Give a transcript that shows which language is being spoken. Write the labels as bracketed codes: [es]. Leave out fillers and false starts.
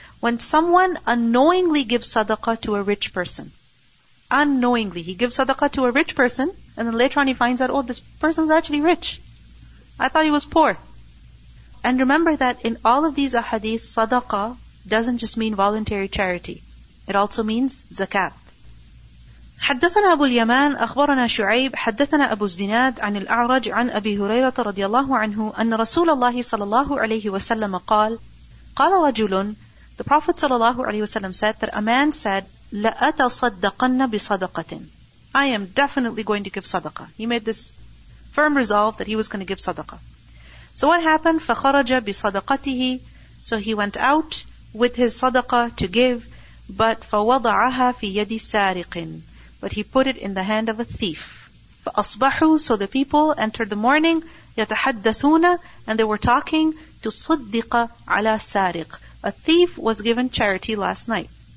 [en] When someone unknowingly gives sadaqah to a rich person, unknowingly, he gives sadaqah to a rich person, and then later on he finds out, oh, this person was actually rich. I thought he was poor. And remember that in all of these ahadith, sadaqah doesn't just mean voluntary charity. It also means zakat. [ar] حدثنا أبو اليمان أخبرنا شعيب حدثنا أبو الزناد عن الأعرج عن أبي هريرة رضي الله عنه أن رسول الله صلى الله عليه وسلم قال قال رجل, [en] the Prophet [ar] صلى الله عليه وسلم [en] said that a man said [ar] لأتصدقن بصدقة, [en] I am definitely going to give sadaqah. He made this firm resolve that he was going to give sadaqah. So what happened? [ar] فَخَرَجَ بِصَدَقَتِهِ, [en] so he went out with his sadaqah to give, but [ar] فَوَضَعَهَا فِي يَدِ سَارِقٍ, [en] but he put it in the hand of a thief. [ar] فَأَصْبَحُوا, [en] so the people entered the morning, [ar] يَتَحَدَّثُونَ, [en] and they were talking, to [ar] صُدِّقَ عَلَى سَارِقٍ, [en] a thief was given charity last night.